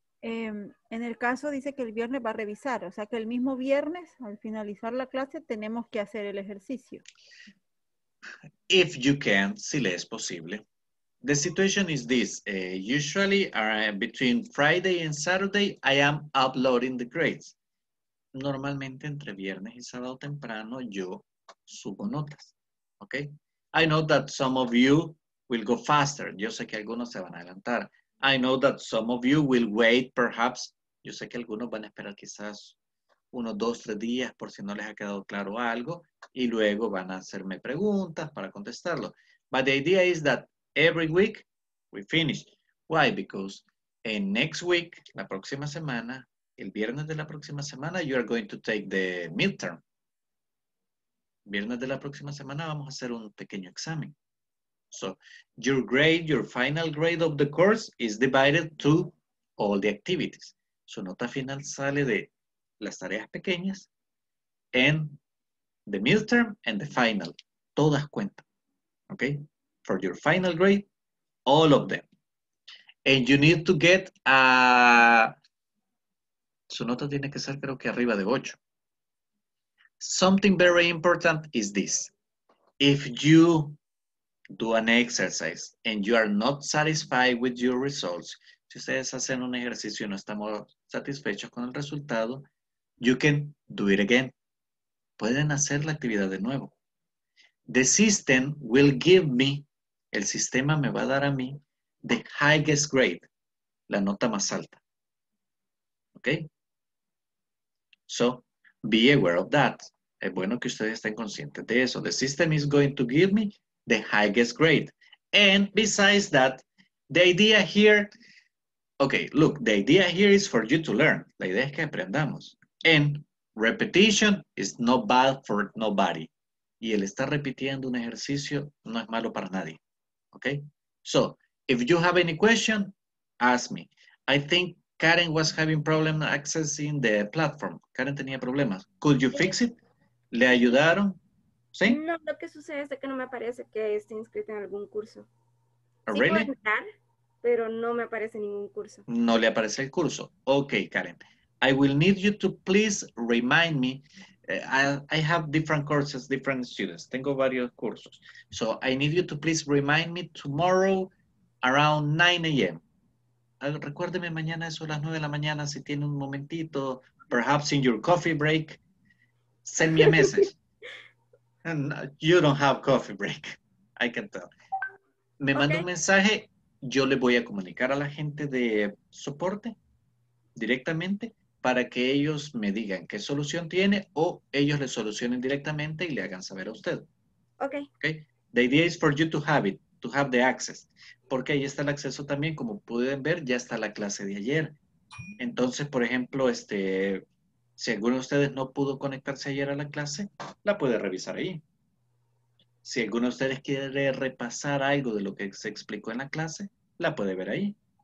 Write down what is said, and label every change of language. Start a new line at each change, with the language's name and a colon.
Spanish: En el caso dice que el viernes va a revisar, o sea que el mismo viernes al finalizar la clase tenemos que hacer el ejercicio.
English: If you can,
Spanish: si le es posible.
English: The situation is this, usually between Friday and Saturday I am uploading the grades.
Spanish: Normalmente entre viernes y sábado temprano yo subo notas, okay?
English: I know that some of you will go faster,
Spanish: yo sé que algunos se van a adelantar.
English: I know that some of you will wait, perhaps.
Spanish: Yo sé que algunos van a esperar quizás unos dos, tres días por si no les ha quedado claro algo y luego van a hacerme preguntas para contestarlo.
English: But the idea is that every week we finish. Why? Because in next week,
Spanish: la próxima semana, el viernes de la próxima semana,
English: you are going to take the midterm.
Spanish: Viernes de la próxima semana vamos a hacer un pequeño examen.
English: So, your grade, your final grade of the course is divided to all the activities.
Spanish: Su nota final sale de las tareas pequeñas
English: and the midterm and the final.
Spanish: Todas cuentan. Okay?
English: For your final grade, all of them. And you need to get a...
Spanish: Su nota tiene que ser, creo que arriba de 8.
English: Something very important is this. If you do an exercise and you are not satisfied with your results,
Spanish: si ustedes hacen un ejercicio y no estamos satisfechos con el resultado,
English: you can do it again.
Spanish: Pueden hacer la actividad de nuevo.
English: The system will give me,
Spanish: el sistema me va a dar a mí,
English: the highest grade,
Spanish: la nota más alta. Okay?
English: So, be aware of that.
Spanish: Es bueno que ustedes estén conscientes de eso.
English: The system is going to give me the highest grade. And besides that, the idea here, okay, look, the idea here is for you to learn.
Spanish: La idea es que aprendamos.
English: And repetition is not bad for nobody.
Spanish: Y el estar repitiendo un ejercicio no es malo para nadie.
English: Okay? So, if you have any question, ask me. I think Karen was having problem accessing the platform.
Spanish: Karen tenía problemas.
English: Could you fix it?
Spanish: ¿Le ayudaron? ¿Sí? No, lo que sucede es que no me aparece que esté inscrita en algún curso.
English: Oh, really?
Spanish: Sí puedo entrar, pero no me aparece ningún curso. No le aparece el curso. Ok, Karen.
English: I will need you to please remind me. I have different courses, different students.
Spanish: Tengo varios cursos.
English: So I need you to please remind me tomorrow around 9 a.m.
Spanish: Recuérdeme mañana eso a las 9 de la mañana si tiene un momentito,
English: perhaps in your coffee break. Send me a message. And you don't have coffee break. I can tell.
Spanish: Me manda
English: okay.
Spanish: un mensaje. Yo le voy a comunicar a la gente de soporte directamente para que ellos me digan qué solución tiene o ellos le solucionen directamente y le hagan saber a usted.
English: Okay. Okay. The idea is for you to have it, to have the access.
Spanish: Porque ahí está el acceso también. Como pueden ver, ya está la clase de ayer. Entonces, por ejemplo, este... Si alguno de ustedes no pudo conectarse ayer a la clase, la puede revisar ahí. Si alguno de ustedes quiere repasar algo de lo que se explicó en la clase, la puede ver ahí.